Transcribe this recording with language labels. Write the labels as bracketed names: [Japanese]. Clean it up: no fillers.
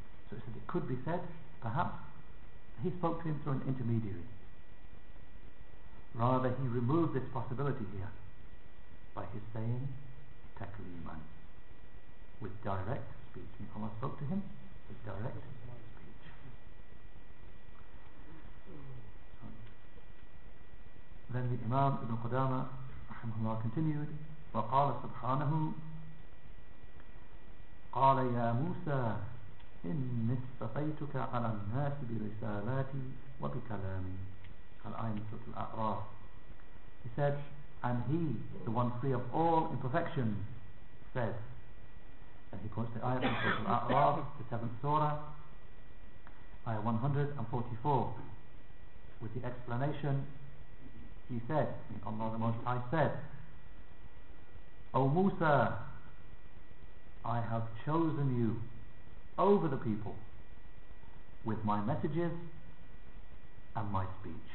[English] So it said it could be said, perhaps, he spoke to him through an intermediary. Rather, he removed this possibility here by his saying, takliman, with direct speech. And Allah spoke to him with direct speech. Then the Imam Ibn Qudama, rahimahullah, continued, [Arabic] وَقَالَ سُبْحَانَهُ قَالَ يَا مُوسَى إِنِّي اصْطَفَيْتُكَ عَلَى النَّاسِ بِرِسَالَاتِي وَبِكَلَامِي. [English] Al-Ayah in Surah Al-A'raf. He said, and he, the one free of all imperfections, said, and he quotes the ayah from Surah Al-A'raf, the 7th surah, ayah 144, with the explanation, he said, Allah the Most High said, O Musa, I have chosen you over the people with my messages and my speech.